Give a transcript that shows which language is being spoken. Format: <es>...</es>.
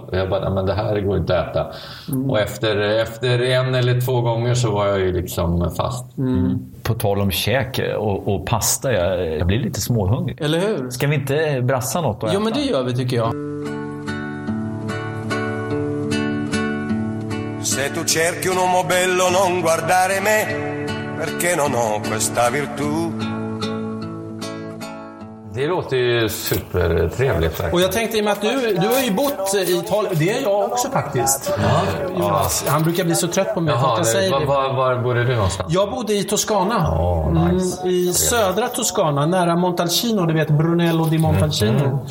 <sv>Och jag bara, men det här går inte att äta. Och efter en eller två gånger så var jag ju liksom fast. På tal om käk och pasta, jag blir lite småhungrig. Eller hur? Ska vi inte brassa något då? Jo, men det gör vi, tycker jag.</sv> <it>Se tu cerchi un uomo bello non guardare me, perché non ho questa virtù.</it> <sv>Det låter ju supertrevligt faktiskt. Och jag tänkte, i och med att du har ju bott i Italien, det är jag också faktiskt. Ja. Han brukar bli så trött på mig. Jaha, var bodde du någonstans? Jag bodde i Toscana.</sv> <en>Oh, nice.</en> <sv>I södra Toscana, nära Montalcino, du vet, Brunello di Montalcino.</sv>